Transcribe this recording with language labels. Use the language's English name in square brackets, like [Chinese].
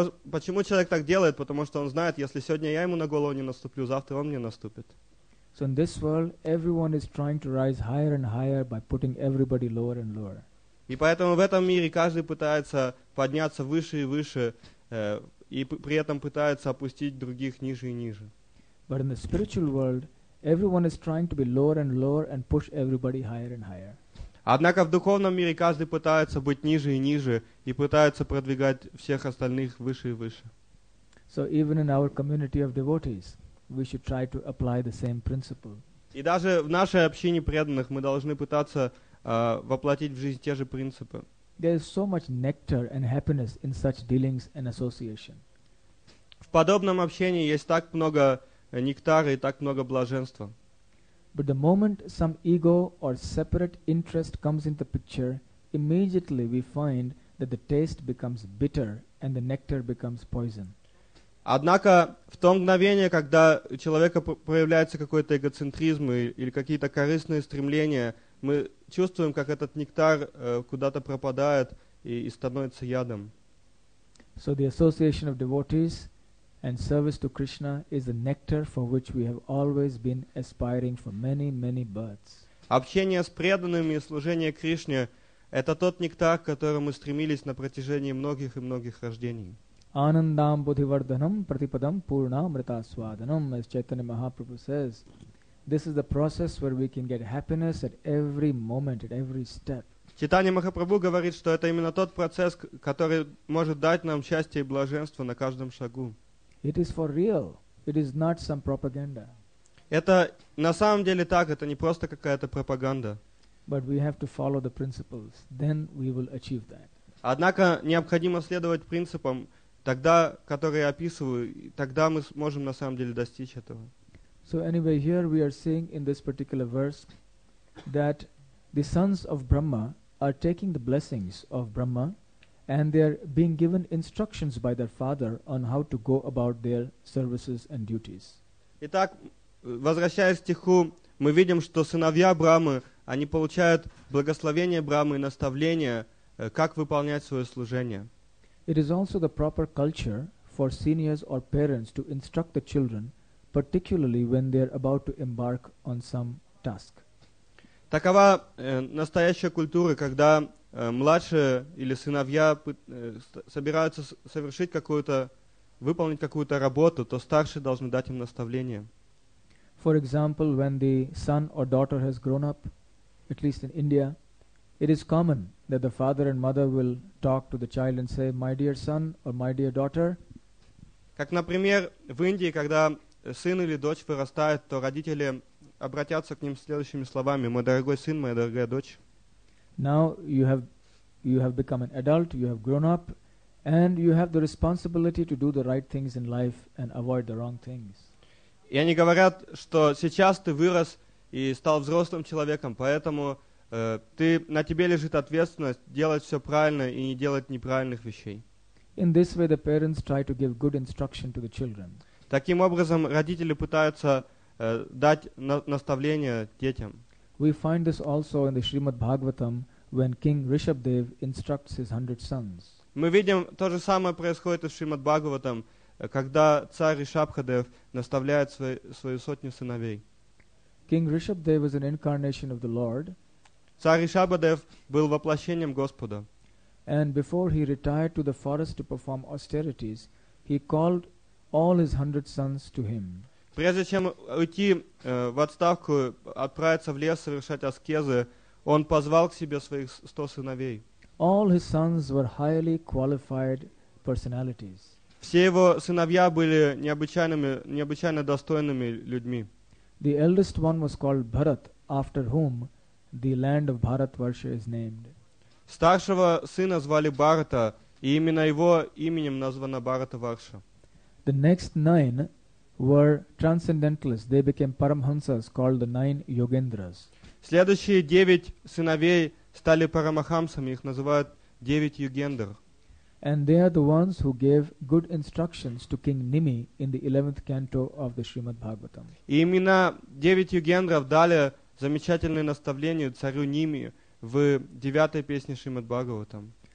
[Russian] Почему человек так делает? Потому что он знает, если сегодня я ему на голову не наступлю, завтра он мне наступит. [English] So in this world, everyone is trying to rise higher and higher by putting everybody lower and lower. [Russian] И поэтому в этом мире каждый пытается подняться выше и выше, и при этом пытается опустить других ниже и ниже. [English] But in the spiritual world, everyone is trying to be lower and lower and push everybody higher and higher. [Russian] Однако в духовном мире каждый пытается быть ниже и ниже и пытается продвигать всех остальных выше и выше. [English] So even in our community of devotees, we should try to apply the same principle. [Russian] И даже в нашей общине преданных мы должны пытаться воплотить в жизнь те же принципы. [English] There is so much nectar and happiness in such dealings and association. [Russian] В подобном общении есть так много нектара и так много блаженства. [English] But the moment some ego or separate interest comes into the picture, immediately we find that the taste becomes bitter and the nectar becomes poison. [Russian] Однако в то мгновение, когда у человека проявляется какой-то эгоцентризм или какие-то корыстные стремления, мы чувствуем, как этот нектар куда-то пропадает и становится ядом. [English] So the association of devotees and service to Krishna is the nectar for which we have always been aspiring for many, many births. [Russian] Общение с преданными и служение Кришне – это тот нектар, к которому мы стремились на протяжении многих и многих рождений. [Sanskrit] Анандам будхивардханам пратипадам пурнамритасваданам, [English] as Chaitanya Mahaprabhu says, this is the process where we can get happiness at every moment, at every step. [Russian] Читание Махапрабху говорит, что это именно тот процесс, который может дать нам счастье и блаженство на каждом шагу. [English] It is for real. It is not some propaganda. [Russian] Это на самом деле так, это не просто какая-то пропаганда. [English] But we have to follow the principles, then we will achieve that. [Russian] Однако необходимо следовать принципам, тогда, которые я описываю, тогда мы сможем на самом деле достичь этого. [English] So anyway, here we are seeing in this particular verse that the sons of Brahma are taking the blessings of Brahma and they are being given instructions by their father on how to go about their services and duties. [Russian] Итак, возвращаясь к стиху, мы видим, что сыновья Брахмы, они получают благословение Брахмы и наставление, как выполнять свое служение. [English] It is also the proper culture for seniors or parents to instruct the children, particularly when they are about to embark on some task. [Russian] Такова настоящая культура, когда младшие или сыновья собираются совершить какую-то выполнить какую-то работу, то старшие должны дать им наставление. [English] For example, when the son or daughter has grown up, at least in India, it is common that the father and mother will talk to the child and say, "My dear son or my dear daughter." [Russian] Как, например, в Индии, когда сын или дочь вырастает, то родители обратятся к ним следующими словами: "Мой дорогой сын, моя дорогая дочь." [English] Now you have become an adult, you have grown up, and you have the responsibility to do the right things in life and avoid the wrong things. [Russian] И они говорят, что сейчас ты вырос и стал взрослым человеком, поэтому на тебе лежит ответственность делать все правильно и не делать неправильных вещей. [English] In this way, the parents try to give good instruction to the children. [Russian] Таким образом, родители пытаются дать наставление детям. [English] We find this also in the Srimad Bhagavatam, when King Rishabdev instructs his 100 sons. [Russian] Мы видим, то же самое происходит и в Шримад Бхагаватам, когда царь Ришабхадев наставляет свою сотню сыновей. [English] King Rishabdev was an incarnation of the Lord. [Russian] Царь Ришабхадев был воплощением Господа. [English] And before he retired to the forest to perform austerities, he called all his 100 sons to him. [Russian] Прежде чем уйти в отставку, отправиться в лес совершать аскезы, он позвал к себе своих 100 сыновей. [English] All his sons were highly qualified personalities. [Russian] Все его сыновья были необычайно достойными людьми. [English] The eldest one was called Bharat, after whom the land of Bharatvarsha is named. [Russian] Старшего сына звали Бхарата, и именно его именем названа Бхаратварша. [English] The next nine were transcendentalists. They became paramhansas, called the nine yogendras. [Russian] Следующие 9 сыновей стали парамахамсами, их называют 9 югендер. [English] And they are the ones who gave good instructions to King Nimi in the 11th canto of the Srimad Bhagavatam. [Russian] И именно 9 югендров дали замечательное наставление царю Ними в 9-й песне Шримад Бхагаватам.